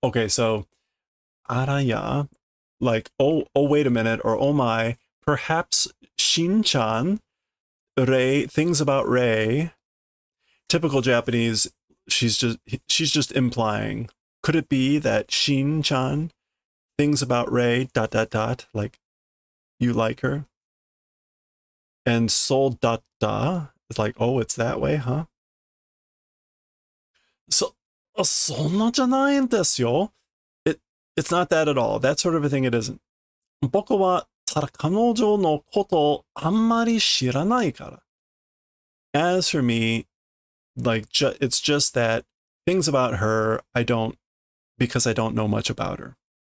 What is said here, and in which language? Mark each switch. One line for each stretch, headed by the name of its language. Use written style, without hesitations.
English: Okay, so araya, like, oh, wait a minute, or oh my, perhaps Shin-chan, Rei, things about Rei, typical Japanese, she's just implying, could it be that Shin-chan, things about Rei, dot, dot, dot, like, you like her? And so datta, it's like, oh, it's that way, huh?
Japanese: So, そんなじゃないんですよ.
English: It's not that at all. That sort of a thing, it isn't.
Japanese: 僕はただ彼女のことあんまり知らないから.
English: As for me, like, it's just that things about her, I don't know much about her.